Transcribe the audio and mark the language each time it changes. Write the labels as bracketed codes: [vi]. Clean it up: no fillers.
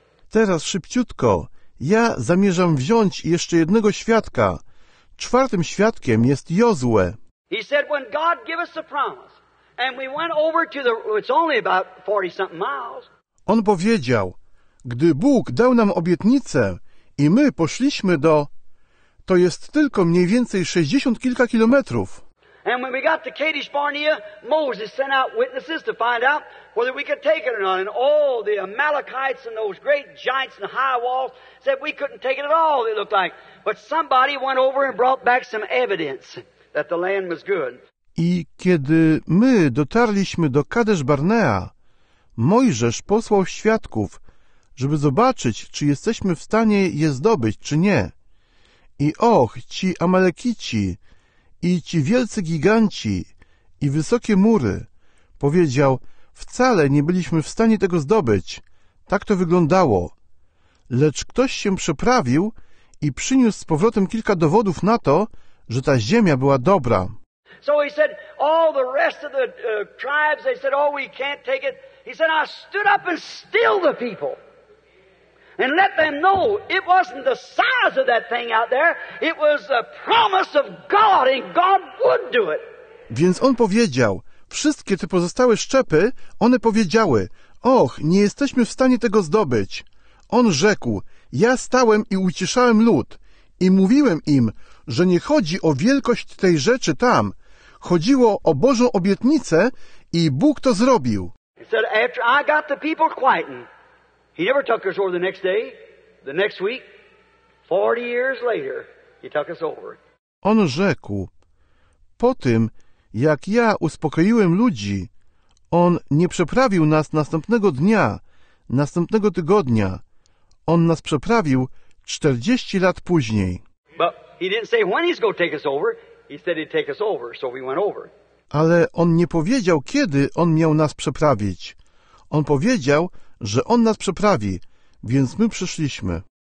[pl] Teraz szybciutko, ja zamierzam wziąć jeszcze jednego świadka. Czwartym świadkiem jest Jozue. [en] He said, when God gave us the promise, and we went over to the, it's only about 40-something miles. [pl] On powiedział, gdy Bóg dał nam obietnicę i my poszliśmy do... To jest tylko mniej więcej 60 kilka kilometrów. [en] And when we got to Kadesh Barnea, Moses sent out witnesses to find out whether we could take it or not. And all the Amalekites and those great giants and high walls said we couldn't take it at all, it looked like. But somebody went over and brought back some evidence that the land was good. [pl] I kiedy my dotarliśmy do Kadesh Barnea, Mojżesz posłał świadków, żeby zobaczyć, czy jesteśmy w stanie je zdobyć, czy nie. I och, ci Amalekici i ci wielcy giganci i wysokie mury, powiedział, wcale nie byliśmy w stanie tego zdobyć. Tak to wyglądało. Lecz ktoś się przeprawił i przyniósł z powrotem kilka dowodów na to, że ta ziemia była dobra. [en] So he said, all the rest of the tribes, they said, oh, we can't take it. He said, I stood up and still the people. And let them know it wasn't the size of that thing out there, it was the promise of God, and God would do it. [pl] Więc on powiedział, wszystkie te pozostałe szczepy, one powiedziały, och, nie jesteśmy w stanie tego zdobyć. On rzekł, ja stałem i ucieszałem lud i mówiłem im, że nie chodzi o wielkość tej rzeczy tam, chodziło o Bożą obietnicę i Bóg to zrobił. [en] He said, after I got the people quieting, he never took us over the next day, the next week. 40 years later, he took us over. [pl] On rzekł, po tym, jak ja uspokoiłem ludzi, on nie przeprawił nas następnego dnia, następnego tygodnia. On nas przeprawił 40 lat później. [en] But he didn't say when he's going to take us over. He said he'd take us over, so we went over. [pl] Ale on nie powiedział, kiedy on miał nas przeprawić. On powiedział, że on nas przeprawi, więc my przyszliśmy.